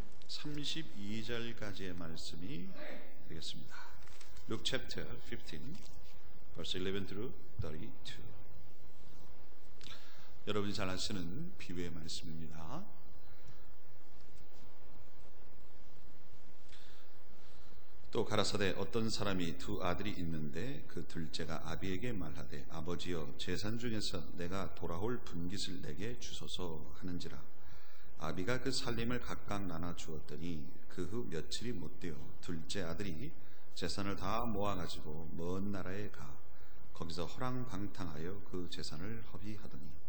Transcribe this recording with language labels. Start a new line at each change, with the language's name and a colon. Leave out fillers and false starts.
Korean: 32절까지의 말씀이 되겠습니다.
English: Luke chapter 15, verse 11 through 32.
Korean: 여러분이 잘 아시는 비유의 말씀입니다. 또 가라사대 어떤 사람이 두 아들이 있는데 그 둘째가 아비에게 말하되 아버지여 재산 중에서 내가 돌아올 분깃을 내게 주소서 하는지라 아비가 그 살림을 각각 나눠주었더니 그 후 며칠이 못되어 둘째 아들이 재산을 다 모아가지고 먼 나라에 가 거기서 허랑방탕하여 그 재산을 허비하더니